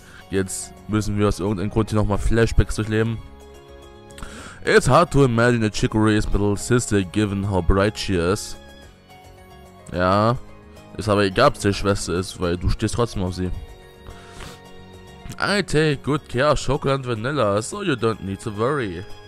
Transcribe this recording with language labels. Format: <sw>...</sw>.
<de>Jetzt müssen wir aus irgendeinem Grund hier nochmal Flashbacks durchleben.</de> <en>It's hard to imagine a Chicory's little sister given how bright she is.</en> <de>Ja. Ist aber egal, ob es die Schwester ist, weil du stehst trotzdem auf sie.</de> <en>I take good care of Chocolate and Vanilla, so you don't need to worry.</en>